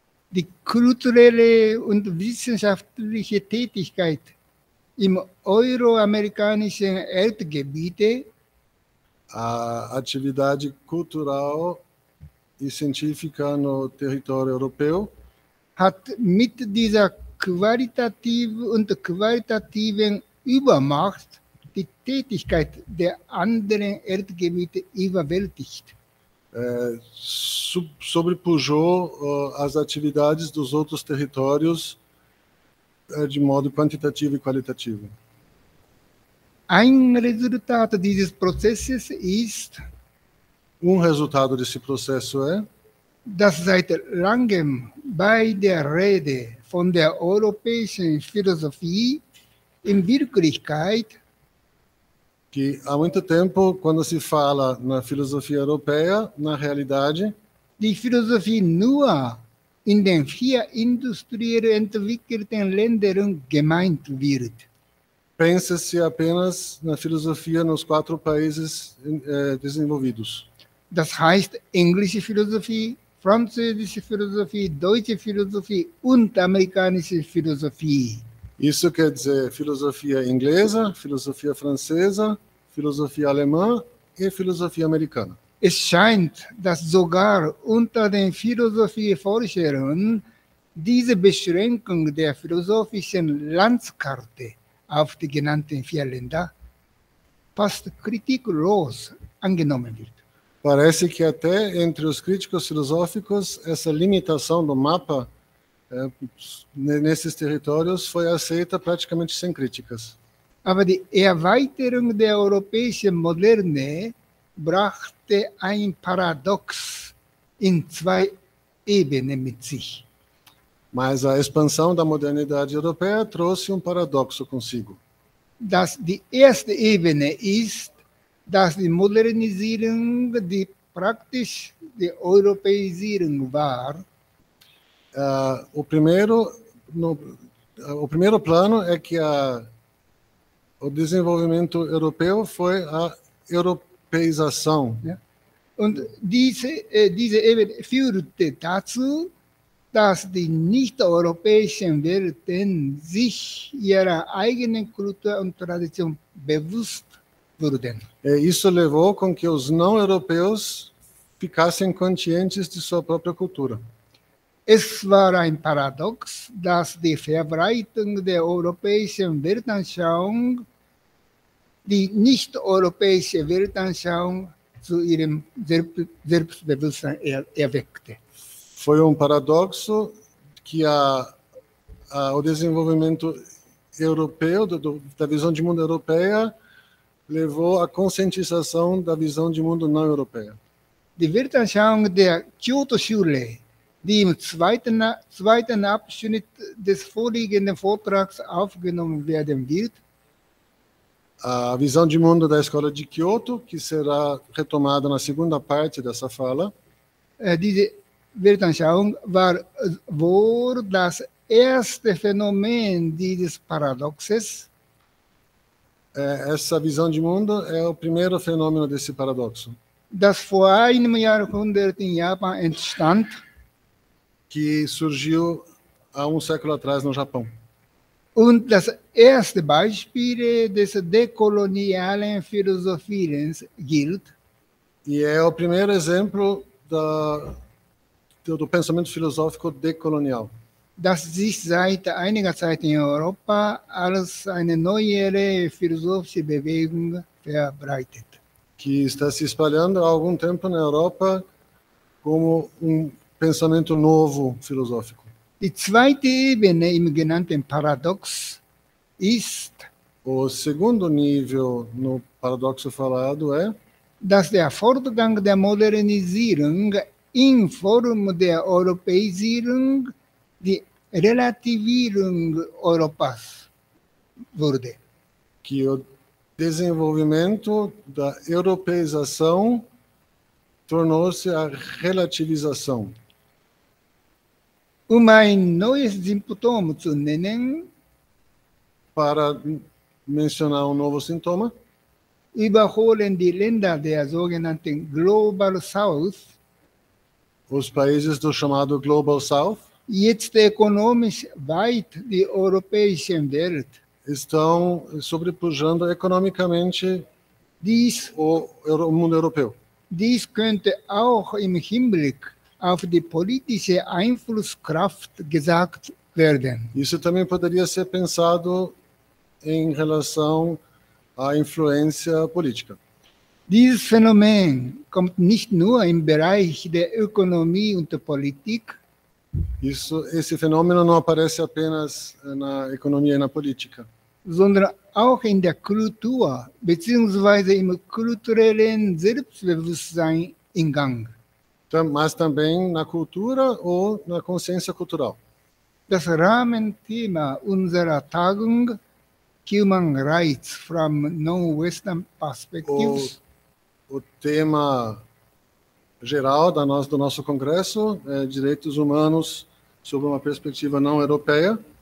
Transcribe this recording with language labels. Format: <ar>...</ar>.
<de>die kulturelle und wissenschaftliche Tätigkeit im euroamerikanischen Erdgebiete.</de> <pt>A atividade cultural e científica no território europeu</pt> <de>hat mit dieser qualitativen und qualitativen Übermacht die Tätigkeit der anderen Erdgebiete überwältigt.</de> <pt>Sobrepujou as atividades dos outros territórios de modo quantitativo e qualitativo.</pt> <de>Ein Resultat dieses Prozesses ist,</de> <pt>resultado desse processo é,</pt> <de>dass seit langem bei der Rede von der europäischen Philosophie in Wirklichkeit,</de> <pt>que há muito tempo, quando se fala na filosofia europeia, na realidade,</pt> <de>die Philosophie nur in den vier industriell entwickelten Ländern gemeint wird.</de> <pt>Pensa-se apenas na filosofia nos quatro países desenvolvidos.</pt> <de>Das heißt, englische Philosophie, französische Philosophie, deutsche Philosophie und amerikanische Philosophie.</de> <pt>Isso quer dizer filosofia inglesa, filosofia francesa, filosofia alemã e filosofia americana.</pt> <de>Es scheint, dass sogar unter den Philosophieforschern diese Beschränkung der philosophischen Landkarte auf die genannten vier Länder fast kritiklos angenommen wird.</de> <pt>Parece que até entre os críticos filosóficos essa limitação do mapa nesses territórios foi aceita praticamente sem críticas.</pt> <de>Aber die Erweiterung der europäischen Moderne brachte ein Paradox in zwei Ebenen mit sich.</de> <pt>Mas a expansão da modernidade europeia trouxe paradoxo consigo.</pt> <de>Das die erste Ebene ist, dass die Modernisierung die praktisch die Europäisierung war.</de> <pt>O primeiro plano é que o desenvolvimento europeu foi a europeização. Yeah.</pt> <de>Und diese Ebene führte dazu, dass die nicht-europäischen Welten sich ihrer eigenen Kultur und Tradition bewusst wurden.</de> <pt>Isso levou com que os não-europeus ficassem conscientes de sua própria cultura.</pt> <de>Es war ein Paradox, dass die Verbreitung der europäischen Weltanschauung die nicht-europäische Weltanschauung zu ihrem Selbstbewusstsein erweckte.</de> <pt>Foi paradoxo que o desenvolvimento europeu, da visão de mundo europeia, levou à conscientização da visão de mundo não europeia.</pt> <de>Die Weltanschauung der Kyoto-Schule, die im zweiten Abschnitt des vorliegenden Vortrags aufgenommen werden wird,</de> <pt>a visão de mundo da Escola de Kyoto, que será retomada na segunda parte dessa fala,</pt> <de>Weltanschauung war wohl das erste Phänomen dieses Paradoxes.</de> <pt>Essa visão de mundo é o primeiro fenômeno desse paradoxo.</pt> <de>Das vor einem Jahrhundert in Japan entstand.</de> <pt>Que surgiu há século atrás no Japão.</pt> <de>Und das erste Beispiel des dekolonialen Philosophierens gilt.</de> <pt>E o primeiro exemplo do pensamento filosófico decolonial.</pt> <de>Das sich seit einiger Zeit in Europa als eine neue philosophische Bewegung verbreitet.</de> <pt>Que está se espalhando há algum tempo na Europa como pensamento novo filosófico.</pt> <de>Die zweite Ebene im genannten Paradox ist,</de> <pt>o segundo nível no paradoxo falado é,</pt> <de>dass der Fortgang der Modernisierung in Form der Europäisierung die Relativierung Europas wurde.</de> <pt>Que o desenvolvimento da europeização tornou-se a relativização.</pt> <de>Ein neues Symptom zu nennen,</de> <pt>para mencionar novo sintoma,</pt> <de>überholen die Länder der sogenannten Global South,</de> <pt>os países do chamado Global South,</pt> <de>jetzt ökonomisch weit die europäische Welt.</de> <pt>Estão sobrepujando economicamente</pt> <de>dies,</de> <pt>o mundo europeu.</pt> <de>Dies könnte auch im Hinblick auf die politische Einflusskraft gesagt werden.</de> <pt>Isso também poderia ser pensado em relação à influência política.</pt> <de>Dieses Phänomen kommt nicht nur im Bereich der Ökonomie und der Politik.</de> <pt>Isso, esse fenômeno não aparece apenas na economia e na política.</pt> <de>Sondern auch in der Kultur beziehungsweise im kulturellen Selbstbewusstsein in Gang.</de> <pt>Mas também na cultura ou na consciência cultural.</pt> <de>Das Rahmenthema unserer Tagung</de> <en>Human Rights from Non-Western Perspectives.</en> <pt>O tema geral do nosso congresso é Direitos Humanos sob uma perspectiva não europeia.</pt>